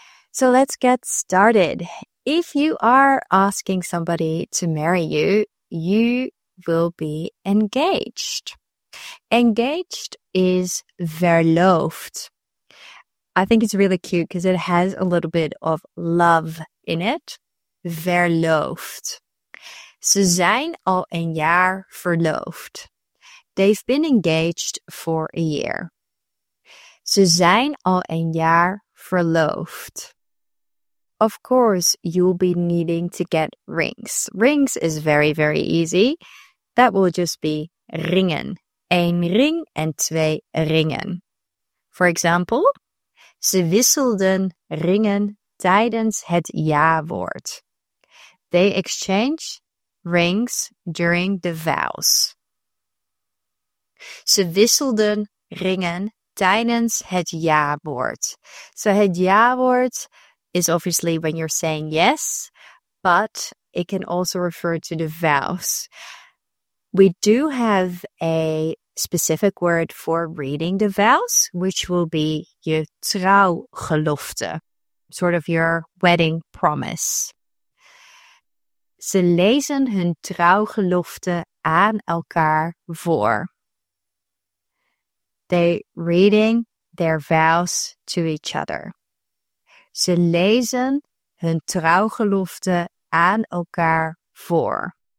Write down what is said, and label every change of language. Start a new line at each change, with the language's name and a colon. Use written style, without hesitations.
English: So let's get started. If you are asking somebody to marry you, you will be engaged. Engaged is verloofd. I think it's really cute because it has a little bit of love in it.
Dutch: Verloofd. Ze zijn al een jaar verloofd.
English: They've been engaged for a year.
Dutch: Ze zijn al een jaar verloofd.
English: Of course, you'll be needing to get rings. Rings is very, very easy. That will just be ringen.
Dutch: Een ring en twee ringen.
English: For example,
Dutch: ze wisselden ringen tijdens het ja-woord.
English: They exchange rings during the vows.
Dutch: Ze wisselden ringen tijdens het ja-woord.
English: So het ja-woord is obviously when you're saying yes, but it can also refer to the vows. We do have a specific word for reading the vows, which will be je trouwgelofte, sort of your wedding promise.
Dutch: Ze lezen hun trouwgelofte aan elkaar voor.
English: They reading their vows to each other.
Dutch: Ze lezen hun trouwgelofte aan elkaar voor.